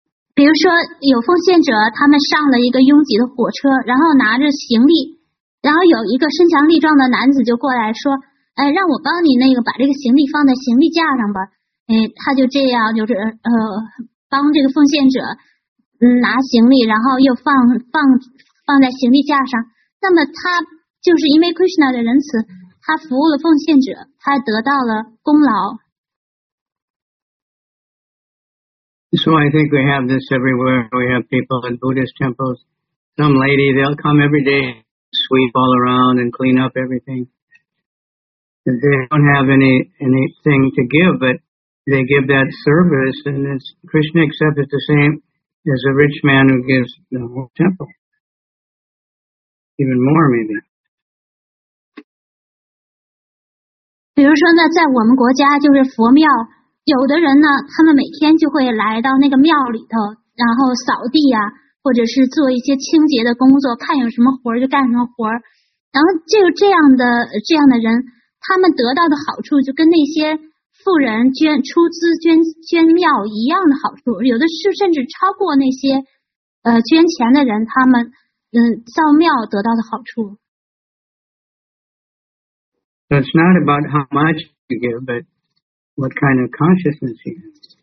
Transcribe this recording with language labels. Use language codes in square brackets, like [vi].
[zh] 比如说有奉献者他们上了一个拥挤的火车然后拿着行李然后有一个身强力壮的男子就过来说哎，让我帮你那个把这个行李放在行李架上吧、哎、他就这样就是帮这个奉献者、拿行李然后又放在行李架上那么他就是因为 Krishna 的仁慈他服务了奉献者他得到了功劳 [en] So I think we have this everywhere we have people in Buddhist temples some lady they'll come every day sweep all around and clean up everything they don't have anything to give but they give that service and it's Krishna accepts it the same as a rich man who gives the whole temple even more maybe [zh] 比如说呢在我们国家就是佛庙有的人呢他们每天就会来到那个庙里头然后扫地啊或者是做一些清洁的工作看有什么活就干什么活然后就这样的人他们得到的好处就跟那些富人出资捐庙一样的好处有的是甚至超过那些捐钱的人他们造庙得到的好处 [en] So it's not about how much you give, but what kind of consciousness you have.